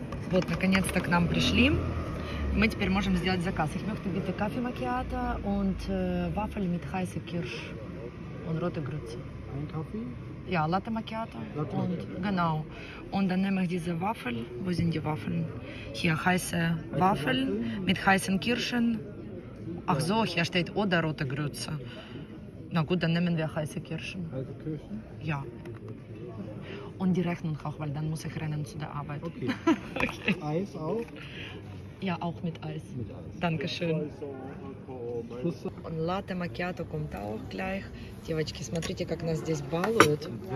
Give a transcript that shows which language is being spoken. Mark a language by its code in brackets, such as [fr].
[ru] Вот, наконец-то к нам пришли. Мы теперь можем сделать заказ. [de] Ich möchte bitte Kaffee Macchiato und Waffel mit heißer Kirsch und rote Grütze. Ein Kaffee? Ja, Latte Macchiato. Latte und, Macchiato. Genau. Und dann nehme ich diese Waffel. Wo sind die Waffeln? Hier, heiße Waffel mit heißen Kirschen. Ach so, hier steht oder rote Grütze. Na gut, dann nehmen wir heiße Kirschen. Heiße Kirschen? Ja. Und die Rechnung auch, weil dann muss ich rennen zu der Arbeit. Okay. Eis auch? Ja, auch mit Eis. Mit Eis. Dankeschön. Und Latte Macchiato kommt auch gleich. [ru] Девочки, смотрите, как нас здесь балуют.